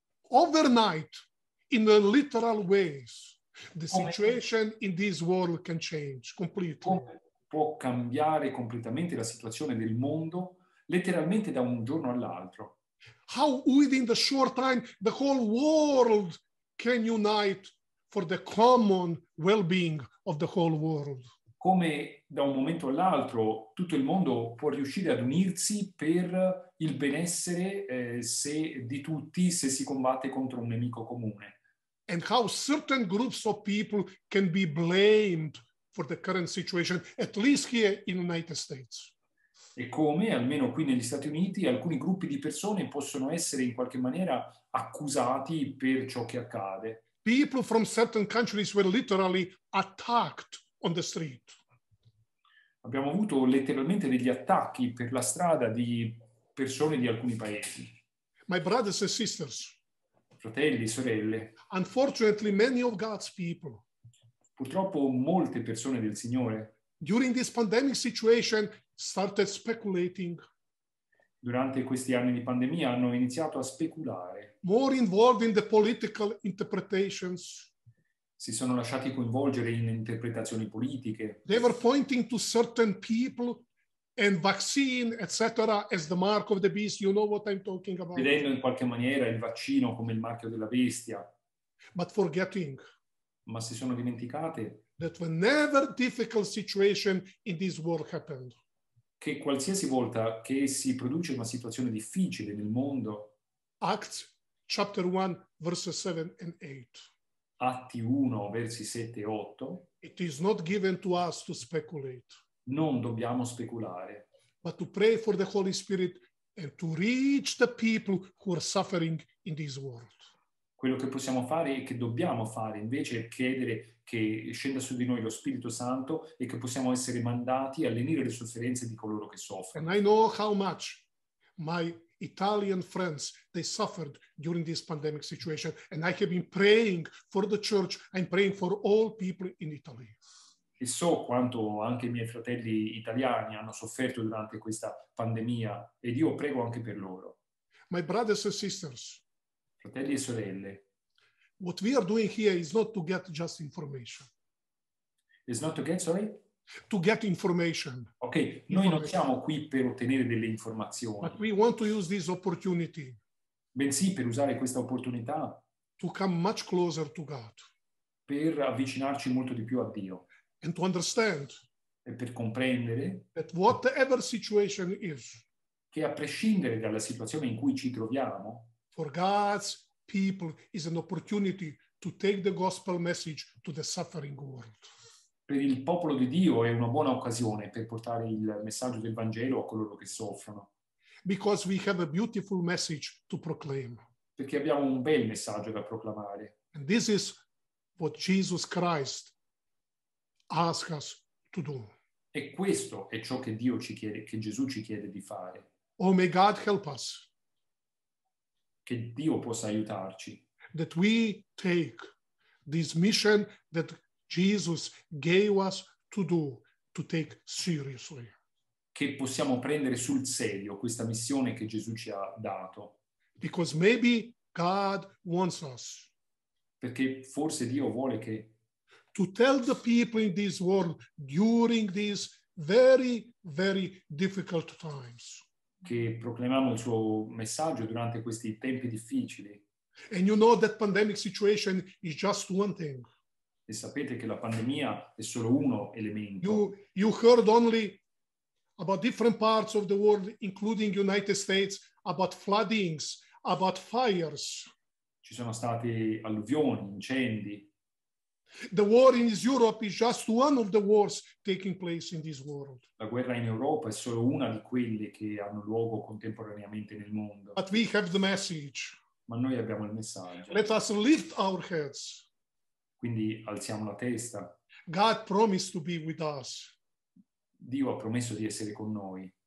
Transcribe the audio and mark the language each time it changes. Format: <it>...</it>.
<en>Overnight, in a literal ways, the situation in this world can change completely.</en> <it>Può cambiare completamente la situazione del mondo, letteralmente da un giorno all'altro.</it> <en>How within the short time the whole world can unite for the common well-being of the whole world.</en> <it>Come da un momento all'altro tutto il mondo può riuscire ad unirsi per il benessere se di tutti, se si combatte contro un nemico comune.</it> <en>And how certain groups of people can be blamed for the current situation, at least here in the United States.</en> <it>E come, almeno qui negli Stati Uniti, alcuni gruppi di persone possono essere in qualche maniera accusati per ciò che accade.</it> <en>People from certain countries were literally attacked on the street.</en> <it>Abbiamo avuto letteralmente degli attacchi per la strada di persone di alcuni paesi.</it> <en>My brothers and sisters.</en> <it>Fratelli, sorelle.</it> <en>Unfortunately, many of God's people.</en> <it>Purtroppo molte persone del Signore.</it> <en>During this pandemic situation started speculating.</en> <it>Durante questi anni di pandemia hanno iniziato a speculare.</it> <en>More involved in the political interpretations.</en> <it>Si sono lasciati coinvolgere in interpretazioni politiche.</it> <en>They were pointing to certain people and vaccine, etc., as the mark of the beast. You know what I'm talking about.</en> <it>Vedendo in qualche maniera il vaccino come il marchio della bestia.</it> <en>But forgetting.</en> <it>Ma si sono dimenticate.</it> <en>That whenever difficult situation in this world happened.</en> <it>Che qualsiasi volta che si produce una situazione difficile nel mondo.</it> <en>Acts chapter 1, verses 7 and 8.</en> <it>Atti 1, versi 7 e 8.</it> <en>It is not given to us to speculate.</en> <it>Non dobbiamo speculare.</it> <en>But to pray for the Holy Spirit and to reach the people who are suffering in this world.</en> <it>Quello che possiamo fare e che dobbiamo fare invece è chiedere che scenda su di noi lo Spirito Santo e che possiamo essere mandati a lenire le sofferenze di coloro che soffrono.</it> <en>And I know how much my Italian friends, they suffered during this pandemic situation. And I have been praying for the church and praying for all people in Italy.</en> <it>E so quanto anche i miei fratelli italiani hanno sofferto durante questa pandemia, ed io prego anche per loro.</it> <en>My brothers and sisters,</en> <it>fratelli e sorelle,</it> <en>what we are doing here is not to get just information. It's not to get, sorry? To get information.</en> <it>Okay, noi non siamo qui per ottenere delle informazioni.</it> <en>But we want to use this opportunity.</en> <it>Bensì per usare questa opportunità.</it> <en>To come much closer to God.</en> <it>Per avvicinarci molto di più a Dio.</it> <en>And to understand.</en> <it>E per comprendere.</it> <en>That whatever situation is.</en> <it>Che a prescindere dalla situazione in cui ci troviamo.</it> <en>For God's people is an opportunity to take the gospel message to the suffering world.</en> <it>Per il popolo di Dio è una buona occasione per portare il messaggio del Vangelo a coloro che soffrono.</it> <en>Because we have a beautiful message to proclaim.</en> <it>Perché abbiamo un bel messaggio da proclamare.</it> <en>And this is what Jesus Christ asks us to do.</en> <it>E questo è ciò che Dio ci chiede, che Gesù ci chiede di fare.</it> <en>Oh, may God help us.</en> <it>Che Dio possa aiutarci.</it> <en>That we take this mission that Jesus gave us to do, to take seriously.</en> <it>Che possiamo prendere sul serio questa missione che Gesù ci ha dato.</it> <en>Because maybe God wants us.</en> <it>Perché forse Dio vuole che.</it> <en>To tell the people in this world during these very, very difficult times.</en> <it>Che proclamiamo il suo messaggio durante questi tempi difficili.</it> <en>And you know that pandemic situation is just one thing.</en> <it>E sapete che la pandemia è solo uno elemento.</it> <en>You heard only about different parts of the world, including United States, about floodings, about fires.</en> <it>Ci sono stati alluvioni, incendi.</it> <en>The war in Europe is just one of the wars taking place in this world.</en> <it>La guerra in Europa è solo una di quelle che hanno luogo contemporaneamente nel mondo.</it> <en>But we have the message.</en> <it>Ma noi abbiamo il messaggio.</it> <en>Let us lift our heads.</en> <it>Quindi alziamo la testa.</it> <en>God promised to be with us.</en> <it>Dio ha promesso di essere con noi.</it>